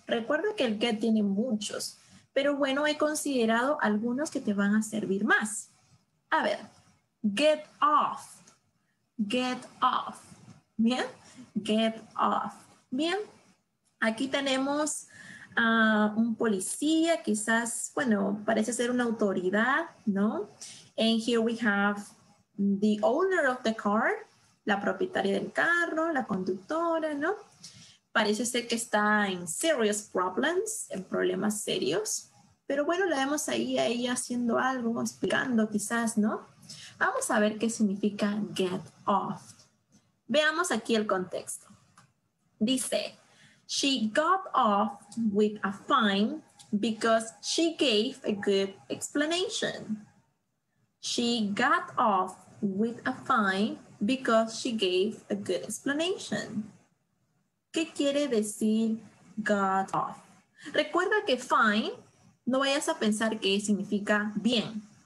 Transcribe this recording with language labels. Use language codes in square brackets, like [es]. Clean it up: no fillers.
[es] Recuerda que el get tiene muchos, pero bueno, he considerado algunos que te van a servir más. A ver, get off, get off, ¿bien? Get off, ¿bien? Aquí tenemos a un policía, quizás, bueno, parece ser una autoridad, ¿no? [en] And here we have the owner of the car. [es] La propietaria del carro, la conductora, ¿no? Parece ser que está en [en] serious problems, [es] en problemas serios. Pero bueno, la vemos ahí a ella haciendo algo, explicando quizás, ¿no? Vamos a ver qué significa get off. Veamos aquí el contexto. Dice, [en] she got off with a fine because she gave a good explanation. She got off with a fine because she gave a good explanation. [es] ¿Qué quiere decir got off? Recuerda que fine, no vayas a pensar que significa bien.